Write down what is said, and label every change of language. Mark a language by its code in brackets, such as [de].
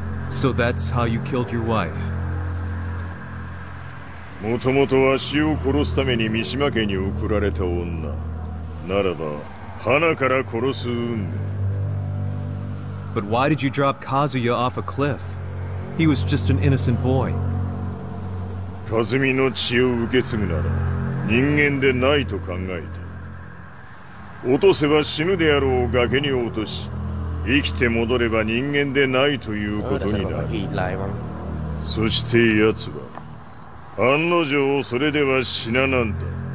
[en] So that's how you killed your wife. [ja] もともとわしを殺すために三島家に送られた女。ならば、花から殺す運命。 [en] But why did you drop Kazuya off a cliff? He was just an innocent boy. [ja] カズミの血を受け継ぐなら人間でないと考えた。落とせば死ぬであろう崖に落とし、生きて戻れば人間でないということになる。そして奴は、案の定それでは死ななんだ。